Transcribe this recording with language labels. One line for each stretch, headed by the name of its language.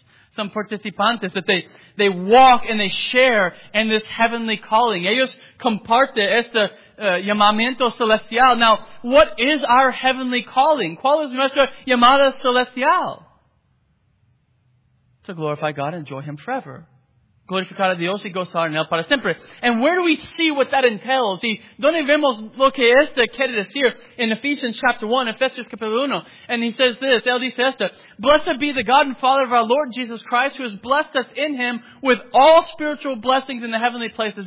English: Some participantes that they walk and they share in this heavenly calling.
Spanish: Ellos comparten esta llamamiento celestial.
English: Now, what is our heavenly calling?
Spanish: ¿Cuál es nuestra llamada celestial?
English: To glorify God and enjoy Him forever.
Spanish: Glorificar a Dios y gozar en él para siempre.
English: And where do we see what that entails?
Spanish: ¿Y dónde vemos lo que esto quiere decir?
English: In Ephesians chapter 1,
Spanish: Ephesians capítulo 1.
English: And he says this,
Spanish: él dice esto.
English: Blessed be the God and Father of our Lord Jesus Christ, who has blessed us in Him with all spiritual blessings in the heavenly places.